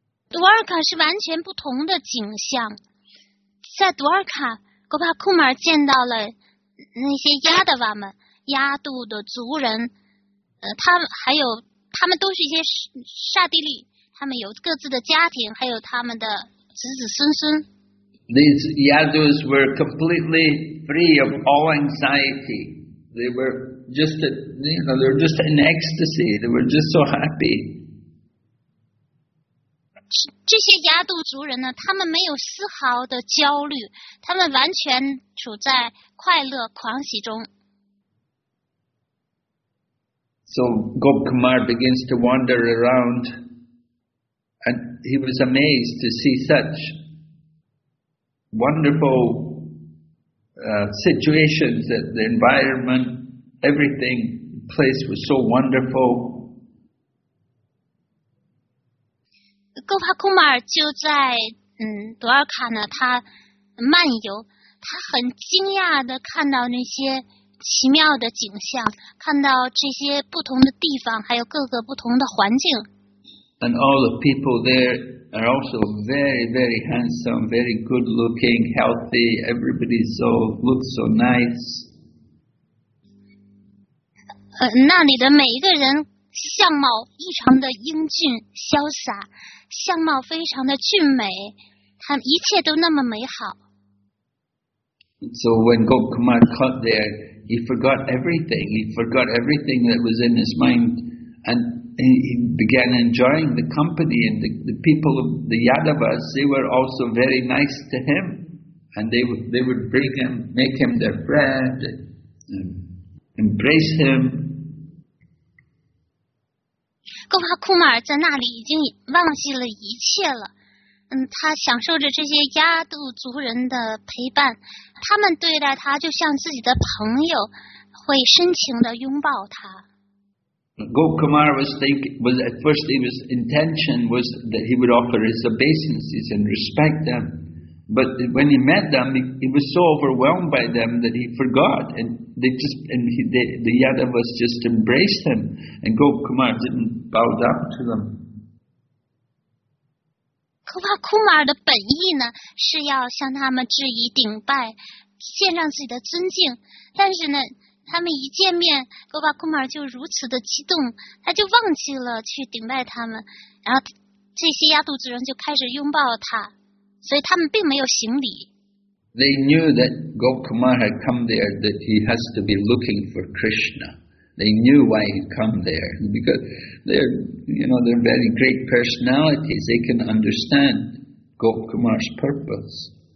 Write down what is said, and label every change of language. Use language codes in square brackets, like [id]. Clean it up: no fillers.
[zh] Dwarka 是完全不同的景象。在 Dwarka, Gopakumar 见到了那些 Yadava 们，亚度的族人，他还有他们都是一些刹帝利，他们有各自的家庭，还有他们的子子孙孙。 [en] These Yadus were completely free of all anxiety. They were just, you know, they were just in ecstasy. They were just so happy. [zh] 这些亚度族人呢，他们没有丝毫的焦虑，他们完全处在快乐狂喜中。 [en] So Gopkumar begins to wander around, and he was amazed to see such wonderful situations, that the environment, everything, the place was so wonderful. [zh] Gopakumar 就在Dwarka 呢，他漫游，他很惊讶地看到那些奇妙的景象，看到这些不同的地方，还有各个不同的环境。 [en] And all the people there are also very, very handsome, very good looking, healthy. Everybody so looks so nice. [zh] 那里的每一个人相貌异常的英俊潇洒，相貌非常的俊美，他们一切都那么美好。 [en] So when Gopkumar got there,He forgot everything. He forgot everything that was in his mind. And he began enjoying the company. And the people of the Yadavas, they were also very nice to him. And they would bring him, make him their friend, and embrace him. [zh] Gopakumar 在那里已经忘记了一切了。他享受着这些亚度族人的陪伴。他们对待他就像自己的朋友，会深情地拥抱他。 [en] Gopkumar was at first his intention was that he would offer his obeisances and respect them, but when he met them, he was so overwhelmed by them that he forgot, and the Yadavas just embraced him, and Gopkumar didn't bow down to them. [zh] Gopakumar 的本意呢，是要向他们致以顶拜，献上自己的尊敬。但是呢，他们一见面 ，Gopakumar 就如此的激动，他就忘记了去顶拜他们。然后这些亚度族人就开始拥抱他，所以他们并没有行礼。 [en] They knew that Gopakumar had come there, that he has to be looking for Krishna. They knew why he'd come there because. They're very great personalities. They can understand Gopakumar's purpose.